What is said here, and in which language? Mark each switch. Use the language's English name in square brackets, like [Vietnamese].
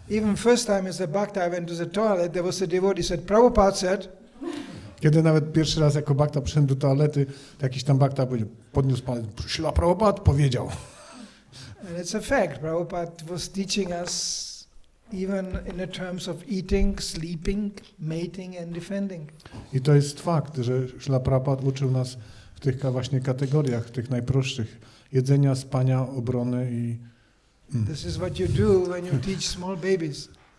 [English] Even first time as a bhakta I went to the toilet, there was a devotee said, Prabhupada said... [Polish] Kiedy nawet pierwszy raz jako bhakta przyszedłem do toalety, to jakiś tam bhakta podniósł palec, Śrila Prabhupada powiedział. [English] And it's a fact, Prabhupada was teaching us even in the terms of eating, sleeping, mating and defending. [Polish] I to jest fakt, że Śrila Prabhupada uczył nas w tych właśnie kategoriach, tych najprostszych, jedzenia, spania, obrony i... [English] This is what you do when you teach small babies.